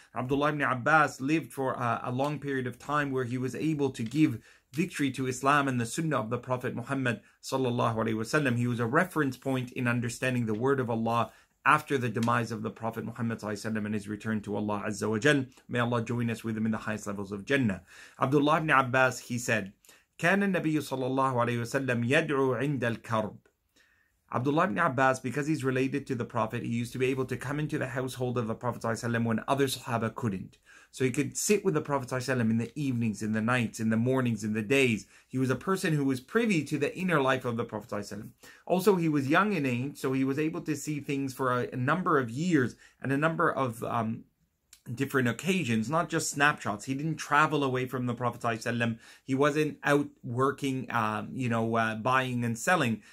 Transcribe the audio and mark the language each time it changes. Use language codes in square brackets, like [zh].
[en] Abdullah ibn Abbas lived for a long period of time where he was able to give victory to Islam and the Sunnah of the Prophet Muhammad sallallahu alaihi wasallam. He was a reference point in understanding the word of Allah after the demise of the Prophet Muhammad sallallahu alaihi wasallam and his return to Allah azza wa jal. May Allah join us with him in the highest levels of Jannah. [ar] Abdullah ibn Abbas, [en] he said, [ar] كان النبي صلى الله عليه وسلم يدعو عند الكرب. [en] Abdullah ibn Abbas, because he's related to the Prophet, he used to be able to come into the household of the Prophet sallallahu alaihi wasallam when other Sahaba couldn't. So he could sit with the Prophet ﷺ in the evenings, in the nights, in the mornings, in the days. He was a person who was privy to the inner life of the Prophet ﷺ. Also, he was young in age, so he was able to see things for a number of years and a number of different occasions, not just snapshots. He didn't travel away from the Prophet ﷺ. He wasn't out working, buying and selling.